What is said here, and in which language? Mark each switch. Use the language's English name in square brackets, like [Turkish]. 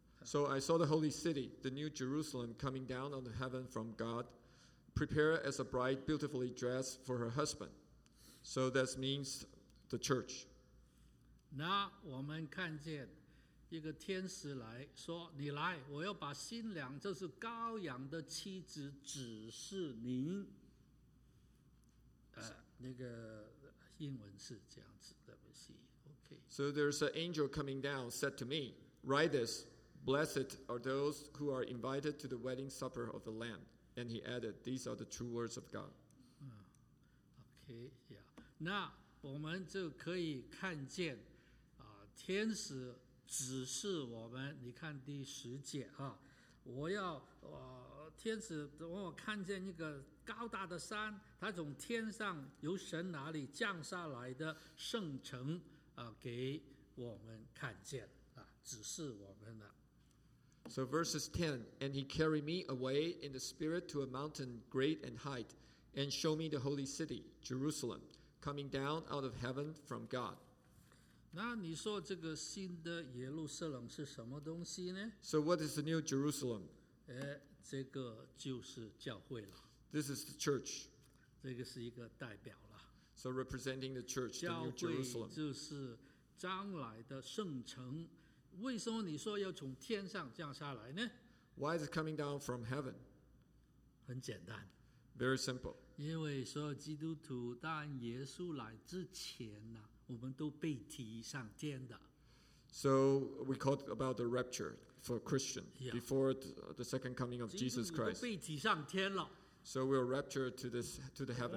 [English] So I saw the holy city, the new Jerusalem, coming down on the heaven from God, prepared as a bride beautifully dressed for her husband. So that means the church. [Chinese] 那我们看见一个天使来说，你来，我要把新娘，就是羔羊的妻子指示您。那个英文是这样子的，不是。 [English] So there's an angel coming down, said to me, write this, blessed are those who are invited to the wedding supper of the Lamb. And he added, these are the true words of God. Okay, yeah. [Chinese] 那我们就可以看见、天使指示我们，你看第十节、我要、天使让我看见一个高大的山，它从天上由神哪里降下来的圣城。给我们看见、指示我们了。 [English] So verses 10, and he carried me away in the spirit to a mountain great and high, and showed me the holy city, Jerusalem, coming down out of heaven from God. [Chinese] 那你说这个新的耶路撒冷是什么东西呢？ [English] So what is the new Jerusalem? [Chinese] 这个就是教会了。 [English] This is the church. [Chinese] 这个是一个代表了。 [English] So representing the church, the new Jerusalem. [Chinese] 教会就是将来的圣城。为什么你说要从天上降下来呢？ [English] Why is it coming down from heaven? [Chinese] 很简单。 [English] Very simple. [Chinese] 因为所有基督徒当耶稣来之前呢，我们都被提上天的。 [English] So we talk about the rapture for Christians before the second coming of Jesus Christ. [Chinese] 基督徒都被提上天了。 [English] So we're raptured to this to the heaven.